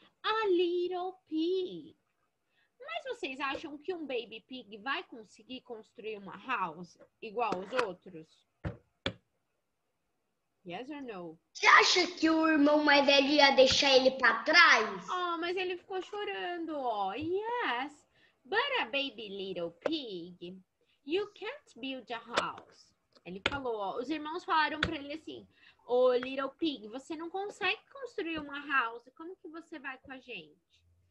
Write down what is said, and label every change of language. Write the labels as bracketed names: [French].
[English] A little pig. [Portuguese] Mas vocês acham que um baby pig vai conseguir construir uma house igual os outros? [English] Yes or no? [Portuguese] Você acha que o irmão mais velho ia deixar ele pra trás? Oh, mas ele ficou chorando, ó. Yes. [English] But a baby little pig, you can't build a house. [Portuguese] Ele falou, ó. Os irmãos falaram pra ele assim... Ô, oh, little pig, você não consegue construir uma house. Como que você vai com a gente?